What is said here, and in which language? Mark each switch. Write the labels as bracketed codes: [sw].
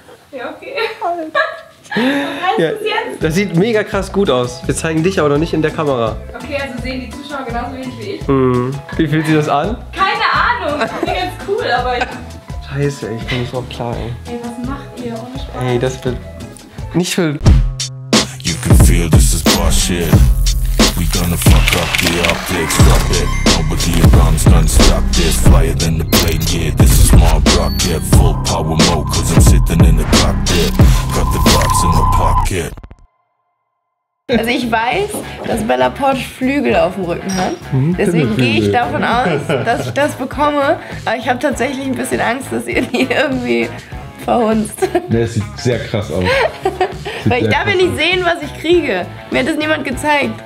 [de] Ja, okay. Was heißt das jetzt? Das sieht mega krass gut aus. Wir zeigen dich aber noch nicht in der Kamera. Okay, also sehen die Zuschauer genauso wenig wie ich. Wie fühlt sich das an? Keine Ahnung. Ich finde ganz cool, aber ich. Scheiße, ich bin nicht so klar, ey. Ey, was macht ihr? Ohne Spaß. Ey, das wird. Nicht für. [en] You can feel this is bullshit. We gonna fuck up the optics, drop it. Nobody around's gonna stop this. Flyer than the plane, yeah, this is my rocket. Full power mode, cause I'm sitting in the cockpit. Got the box in my pocket. [de] Also ich weiß, dass Bella Poarch Flügel auf dem Rücken hat. Deswegen gehe ich davon aus, dass ich das bekomme. Aber ich habe tatsächlich ein bisschen Angst, dass ihr die irgendwie verhunzt. Der sieht sehr krass aus. Weil ich darf ja nicht sehen, was ich kriege. Mir hat das niemand gezeigt.